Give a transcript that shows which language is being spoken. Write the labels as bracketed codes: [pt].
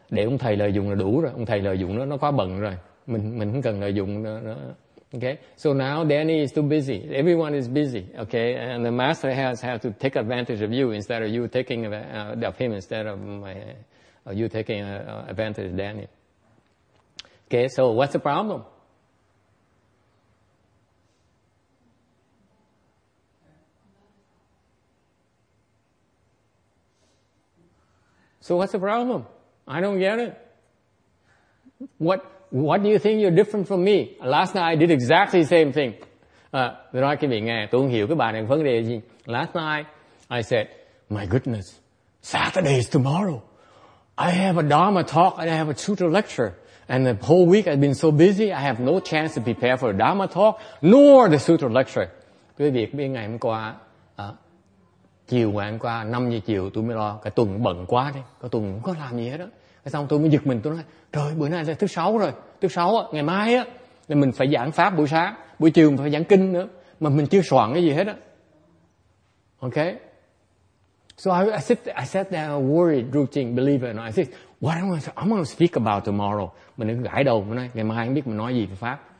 [vi] Để ông thầy lợi dụng là đủ rồi, ông thầy lợi dụng nó quá bận rồi. Mình không cần lợi dụng nó. [en] Okay. So now Danny is too busy. Everyone is busy. Okay. And the master has had to take advantage of you instead of you taking of him instead of my Are you taking advantage of Danny? Okay, so what's the problem? So what's the problem? I don't get it. What do you think you're different from me? Last night I did exactly the same thing. [vi] Nói cái vị nghe, tôi không hiểu cái bài này vấn đề gì. [en] Last night I said, my goodness, Saturday is tomorrow. I have a Dharma talk and I have a sutra lecture. And the whole week I've been so busy, I have no chance to prepare for a Dharma talk nor the sutra lecture. [vi] Quý vị biết ngày hôm qua, chiều ngày hôm qua, 5 giờ chiều tôi mới lo, cái tuần bận quá đi, cái tuần không có làm gì hết á. Cái xong tôi mới giật mình, tôi nói, trời, bữa nay là thứ 6 rồi, thứ 6 á, ngày mai á, là mình phải giảng pháp buổi sáng, buổi chiều mình phải giảng kinh nữa, mà mình chưa soạn cái gì hết á. [en] Okay? So I sat there worried, routine, believer, and I said, what am I going to speak about tomorrow? [vi] Mình đừng gãi đầu, mình nói, ngày mai không biết mình nói gì về pháp.